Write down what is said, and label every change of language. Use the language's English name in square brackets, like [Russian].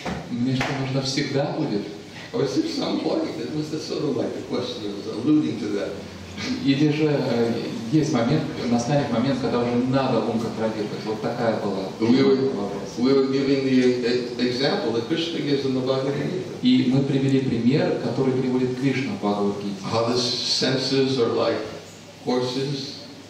[Russian] Мне что, нужно всегда будет? [English] Or is there some point? It was sort of like the question was alluding to that. [Russian] Или же есть момент, настанет момент, когда уже надо ум контролировать. Вот такая была. [English] We were giving the example that Krishna gives in the Bhagavad Gita. [Russian] И мы привели пример, который приводит Кришна в Бхагавад Гите. [English] How the senses are like horses.